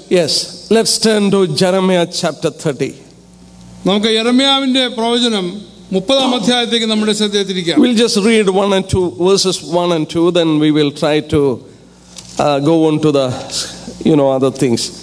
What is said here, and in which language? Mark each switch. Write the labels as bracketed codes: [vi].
[en] Yes, let's turn to Jeremiah chapter 30. [ml] നമുക്ക് യെരമ്യാവിന്റെ പ്രവചനം 30-ാം അധ്യായത്തിലേക്ക് നമ്മുടെ ശ്രദ്ധ തിരിക്കാം. [en] We'll just read 1 and 2 verses 1 and 2 then we will try to go on to the other things.